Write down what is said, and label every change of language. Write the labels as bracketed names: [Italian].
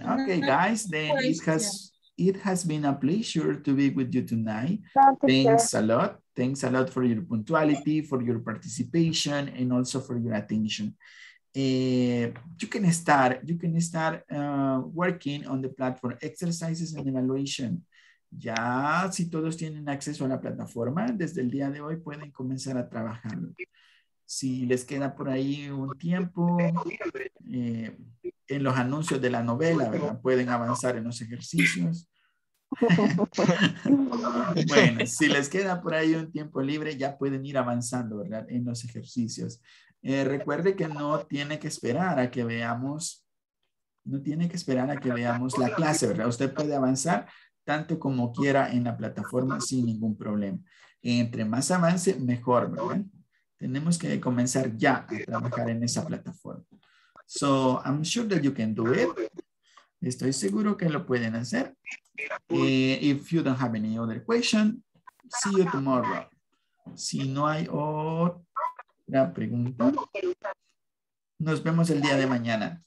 [English] Okay, guys, then it has been a pleasure to be with you tonight. Thanks a lot for your punctuality, for your participation, and also for your attention. You can start working on the platform exercises and evaluation. [Spanish] Ya si todos tienen acceso a la plataforma, desde el día de hoy pueden comenzar a trabajar. Si les queda por ahí un tiempo, en los anuncios de la novela, ¿verdad? Pueden avanzar en los ejercicios. Bueno, si les queda por ahí un tiempo libre, ya pueden ir avanzando, ¿verdad? En los ejercicios. Recuerde que no tiene que esperar a que veamos, la clase, ¿verdad? Usted puede avanzar tanto como quiera en la plataforma sin ningún problema. Entre más avance, mejor, ¿verdad? Tenemos que comenzar ya a trabajar en esa plataforma. [English] So, I'm sure that you can do it. [Spanish] Estoy seguro que lo pueden hacer. [English] If you don't have any other question, see you tomorrow. [Spanish] Si no hay otra pregunta, nos vemos el día de mañana.